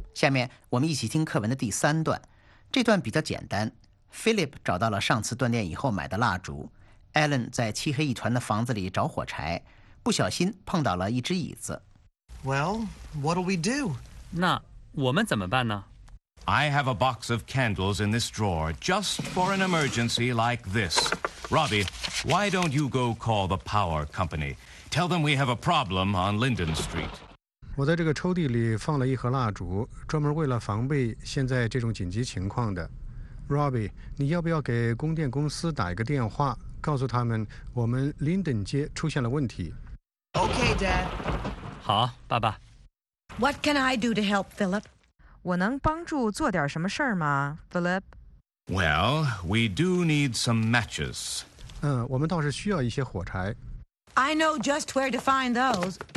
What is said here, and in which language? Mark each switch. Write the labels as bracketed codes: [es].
[zh] 下面我们一起听课文的第三段，这段比较简单。 Philip 找到了上次断电以后买的蜡烛 ，Alan 在漆黑一团的房子里找火柴，不小心碰到了一只椅子。 [en] Well, what'll we do? [zh] 那我们怎么办呢？ [en] I have a box of candles in this drawer, just for an emergency like this. Robbie, why don't you go call the power company? Tell them we have a problem on Linden Street. [zh] 我在这个抽屉里放了一盒蜡烛，专门为了防备现在这种紧急情况的。 Robbie, 你要不要给供电公司打一个电话，告诉他们我们 Linden 街出现了问题 [en] ？Okay, Dad. [zh] 好，爸爸。 [en] What can I do to help, Philip? [zh] 我能帮助做点什么事儿吗 ，Philip？ [en] Well, we do need some matches. [zh] 我们倒是需要一些火柴。 [en] I know just where to find those.